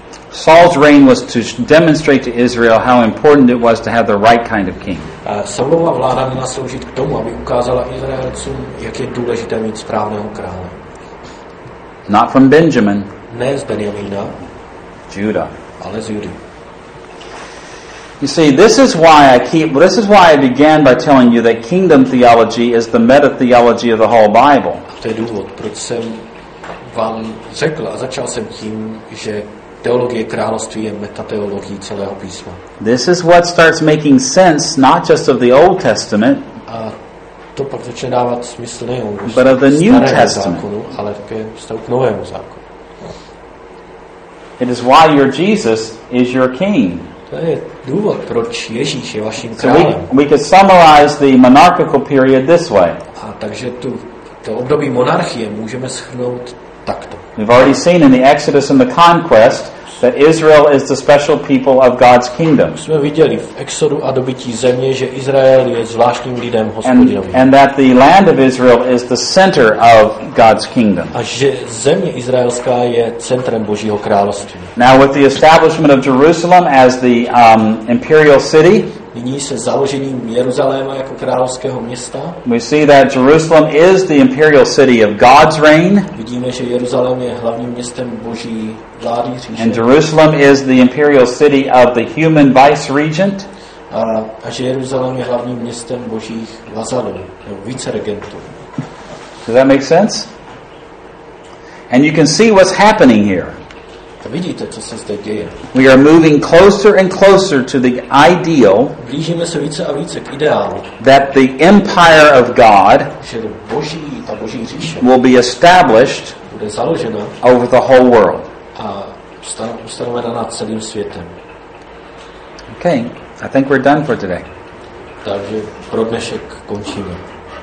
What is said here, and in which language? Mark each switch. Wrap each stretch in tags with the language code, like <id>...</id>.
<en>Saul's reign was to demonstrate to Israel how important it was to have the right kind of king.</en> <cs>Saulova vláda měla sloužit k tomu, aby ukázala Izraelcům, jak je důležité mít správného krále.</cs> <en>Not from Benjamin.</en> <cs>Ne z Benjamína.</cs> <en>Judah.</en> <cs>Ale z Judy.</cs> <en>You see, this is why I began by telling you that kingdom theology is the meta theology of the whole Bible.</en> <cs>A to je důvod, proč jsem vám řekl a začal jsem tím, že teologie království je metateologií celého písma.</cs> <en>This is what starts making sense, not just of the Old Testament,</en> <cs>a to pak začne dávat smysl nejenom</cs> <en>but of the New Testament,</en> <cs>zákonu, ale také vztahu k novému zákonu.</cs> <en>It is why your Jesus is your king.</en> <cs>To je důvod, proč Ježíš je vaším králem.</cs> <en>So we could summarize the monarchical period this way.</en> <cs>A takže to období monarchie můžeme shrnout takto.</cs> <en>We've already seen in the Exodus and the conquest that Israel is the special people of God's kingdom.</en> <cs>Jsme viděli v Exodu a dobytí země, že Izrael je zvláštním lidem Hospodinovým.</cs> <en>And that the land of Israel is the center of God's kingdom.</en> <cs>A že země izraelská je centrem Božího království.</cs> <en>Now with the establishment of Jerusalem as the imperial city,</en> <cs>nyní se založením Jeruzaléma jako královského města.</cs> <en>We see that Jerusalem is the imperial city of God's reign.</en> <cs>Vidíme, že Jeruzalém je hlavním městem Boží vlády, říše.</cs> <en>And Jerusalem is the imperial city of the human vice regent.</en> <cs>A že Jeruzalém je hlavním městem Božích vazalů, nebo viceregentů.</cs> <en>Does that make sense? And you can see what's happening here.</en> <cs>Vidíte, co se zde děje.</cs> <en>We are moving closer and closer to the ideal.</en> <cs>Blížíme se více a více k ideálu.</cs> <en>That the empire of God,</en> <cs>že Boží, ta Boží říše,</cs> <en>will be established,</en> <cs>bude založena</cs> <en>over the whole world.</en> <cs>A ustanovena nad celým světem.</cs> <en>Okay, I think we're done for today.</en> <cs>Takže pro dnešek končíme.</cs>